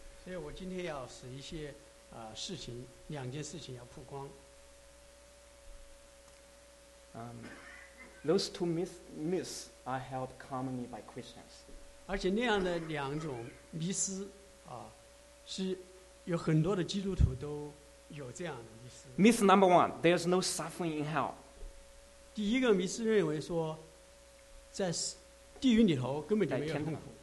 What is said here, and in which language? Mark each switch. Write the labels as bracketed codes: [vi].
[zh] 所以我今天要使一些, 事情, 两件事情要曝光。 [en] Those two myths are held commonly by Christians. [zh] 而且那样的两种迷思, 是 有很多的基督徒都有这样的迷思。 [en] Myth number one, there is no suffering in hell. [zh] 第一个迷思认为说, 在地狱里头根本就没有痛苦,